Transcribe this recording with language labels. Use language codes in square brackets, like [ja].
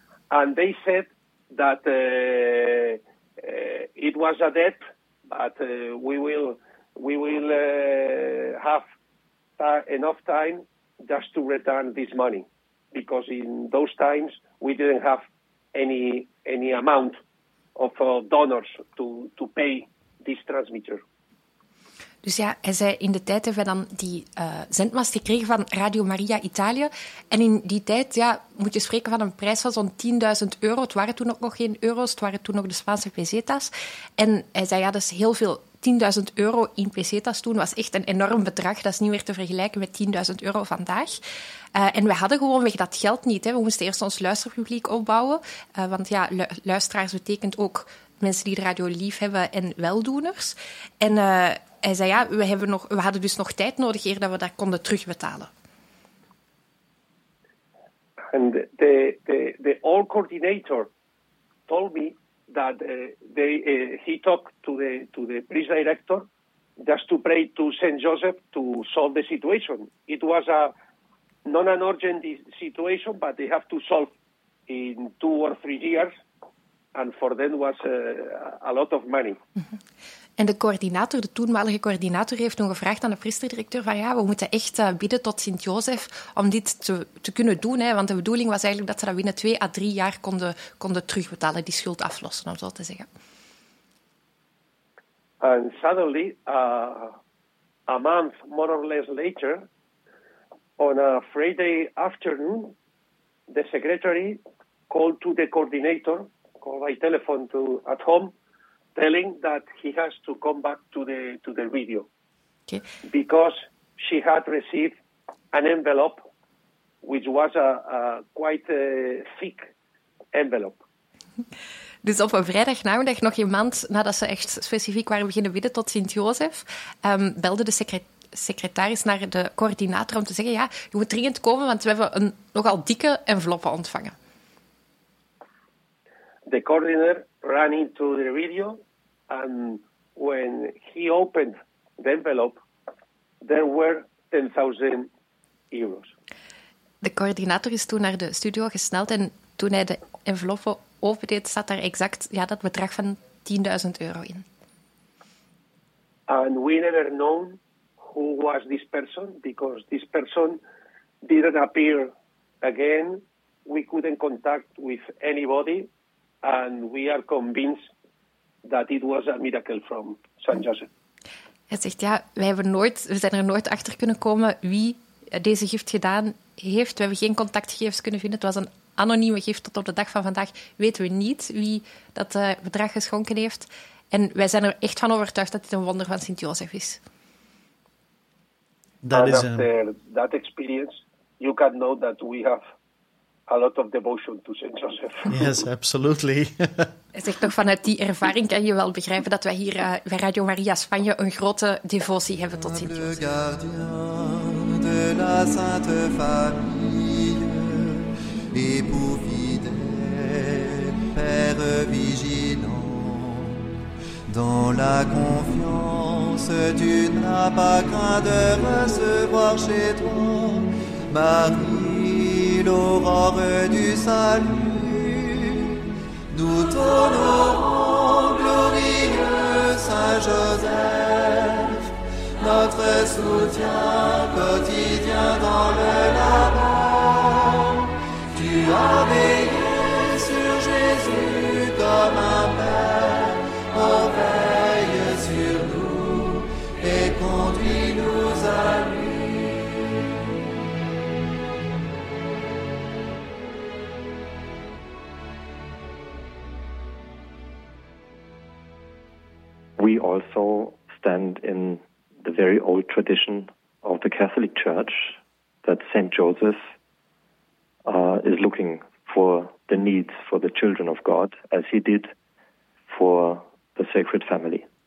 [en] And they said that it was a debt, but we will have enough time just to return this money, because in those times we didn't have any amount of donors to pay this transmitter. [nl] Dus ja, hij zei, in de tijd hebben we dan die zendmast gekregen van Radio Maria Italië. En in die tijd, ja, moet je spreken van een prijs van zo'n 10.000 euro. Het waren toen ook nog geen euro's, het waren toen nog de Spaanse pesetas. En hij zei, ja, dat is heel veel. 10.000 euro in pesetas toen was echt een enorm bedrag. Dat is niet meer te vergelijken met 10.000 euro vandaag. En we hadden gewoonweg dat geld niet, hè. We moesten eerst ons luisterpubliek opbouwen. Want ja, luisteraars betekent ook mensen die de radio lief hebben en weldoeners. En hij zei, ja, we hadden dus nog tijd nodig eer dat we dat konden terugbetalen. [en] And the old coordinator told me that he talked to the priest director just to pray to Saint Joseph to solve the situation. It was not an urgent situation, but they have to solve in 2 or 3 years, and for them was a lot of money. [nl] En de coördinator, de toenmalige coördinator, heeft toen gevraagd aan de priesterdirecteur van ja, we moeten echt bidden tot Sint-Jozef om dit te kunnen doen. Hè? Want de bedoeling was eigenlijk dat ze dat binnen 2 à 3 jaar konden terugbetalen, die schuld aflossen, om zo te zeggen. [en] And suddenly, a month more or less later, on a Friday afternoon, the secretary called to the coordinator, called by telephone to at home, telling that he has to come back to the video. Okay. Because she had received an envelope which was a quite a thick envelope. [nl] Dus op een vrijdagnamiddag, nog een maand nadat ze echt specifiek waren beginnen bidden tot Sint-Jozef, belde de secretaris naar de coördinator om te zeggen ja, je moet dringend komen, want we hebben een nogal dikke enveloppe ontvangen. [en] The coordinator ran into the video, and when he opened the envelope, there were 10,000 euros. [nl] De coördinator is toen naar de studio gesneld en toen hij de enveloppe opende, zat daar exact ja, dat bedrag van 10.000 euro in. [en] And we never know who was this person, because this person didn't appear again. We couldn't contact with anybody. And we are convinced that it was a miracle from Saint Joseph. [nl] Hij zegt, ja, we zijn er nooit achter kunnen komen wie deze gift gedaan heeft. We hebben geen contactgegevens kunnen vinden. Het was een anonieme gift. Tot op de dag van vandaag weten we niet wie dat bedrag geschonken heeft. En wij zijn er echt van overtuigd dat dit een wonder van Saint Joseph is. [en] That is after that experience, you can know that we have a lot of devotion to Saint Joseph. Yes, absolutely. [nl] Hij zegt toch, vanuit die ervaring kan je wel begrijpen dat wij hier bij Radio Maria Spanje een grote devotie hebben tot Saint Joseph. [fr] Le gardien de la Sainte Famille, et pour fidèle père vigilant, dans la confiance tu n'as pas craint de recevoir chez toi Marie, l'aurore du salut, nous t'honorons, glorieux Saint-Joseph, notre soutien quotidien dans le labeur. Tu as veillé sur Jésus comme un père, oh, veille sur nous et conduis-nous à lui. [en] We also stand in the very old tradition of the Catholic Church that Saint Joseph is looking for the needs for the children of God, as he did for the Sacred Family.